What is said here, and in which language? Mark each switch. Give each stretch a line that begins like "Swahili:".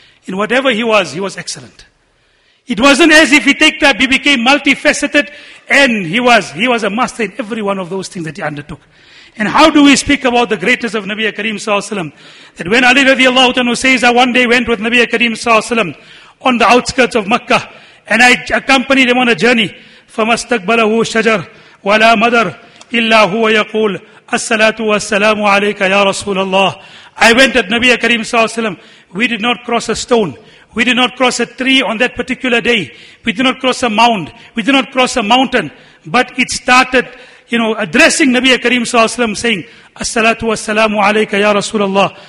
English: In whatever he was excellent. It wasn't as if he became multifaceted and he was a master in every one of those things that he undertook. And how do we speak about the greatness of Nabi Karim sallallahu alayhi wa sallam? That when Ali radiallahu ta'ala says, I one day went with Nabi Karim sallallahu alayhi wa sallam on the outskirts of Makkah and I accompanied him on a journey.
Arabic: فَمَسْتَقْبَلَهُ شَجَرْ وَلَا مَدَرْ إِلَّا هُوَ يَقُولْ As-salatu wa salamu alayka ya Rasulullah.
English: I went at Nabi Karim sallallahu alayhi wa sallam. We did not cross a stone. We did not cross a tree on that particular day. We did not cross a mound. We did not cross a mountain. But it started, addressing Nabi Karim sallallahu alayhi wa sallam saying,
Arabic: As-salatu wa salamu alayka ya Rasulullah.